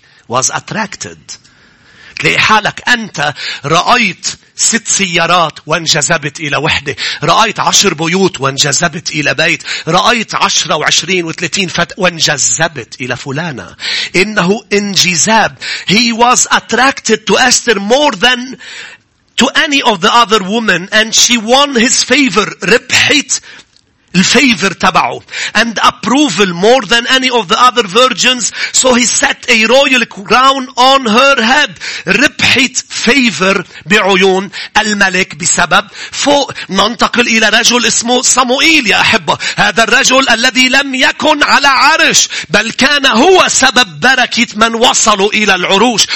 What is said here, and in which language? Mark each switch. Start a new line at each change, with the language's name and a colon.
English: Was attracted.
Arabic: تلاقي حالك أنت رأيت 6 سيارات وانجذبت إلى وحدة. رأيت 10 بيوت وانجذبت إلى بيت. رأيت 10 و20 و30 وانجذبت إلى فلانة. إنه انجذاب.
English: He was attracted to Esther more than to any of the other women and she won his favor.
Arabic: ربحت الفيفر تبعه.
English: And approval more than any of the other virgins. So he set a royal crown on her head.
Arabic: ربحت فيفر بعيون الملك بسبب فوق. ننتقل إلى رجل اسمه صموئيل يا أحبة. هذا الرجل الذي لم يكن على عرش بل كان هو سبب بركة من وصلوا إلى العروش.